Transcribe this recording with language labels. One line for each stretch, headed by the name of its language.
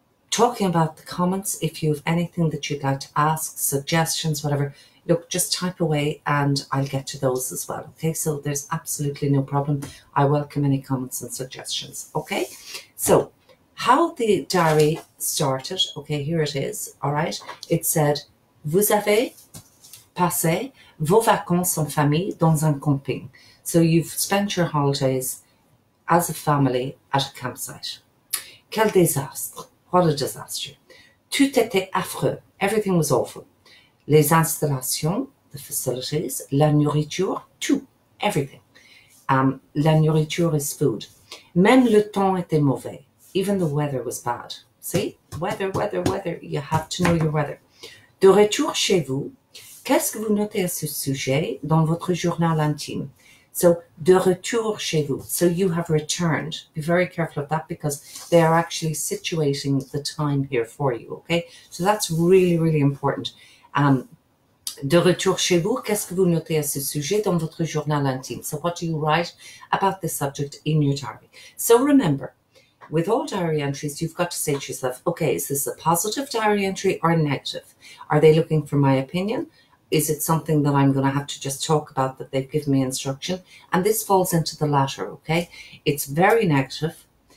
English: Talking about the comments, if you have anything that you'd like to ask, suggestions, whatever, look, just type away and I'll get to those as well, okay? So there's absolutely no problem. I welcome any comments and suggestions, okay? So how the diary started, okay, here it is, all right.
French: It said, vous avez passé vos vacances en famille dans un camping.
English: So you've spent your holidays as a family at a campsite.
French: Quel désastre.
English: What a disaster.
French: Tout était affreux.
English: Everything was awful.
French: Les installations,
English: the facilities,
French: la nourriture, tout,
English: everything.
French: La nourriture
English: is food.
French: Même le temps était mauvais.
English: Even the weather was bad. See? Weather, weather, weather. You have to know your weather.
French: De retour chez vous, qu'est-ce que vous notez à ce sujet dans votre journal intime?
English: So,
French: de retour chez vous.
English: So, you have returned. Be very careful of that because they are actually situating the time here for you. Okay? So, that's really, really important.
French: De retour chez vous, qu'est-ce que vous notez à ce sujet dans votre journal intime?
English: So, what do you write about this subject in your diary? So, remember, with all diary entries, you've got to say to yourself, okay, is this a positive diary entry or a negative? Are they looking for my opinion? Is it something that I'm going to have to just talk about that they've given me instruction? And this falls into the latter, okay? It's very negative.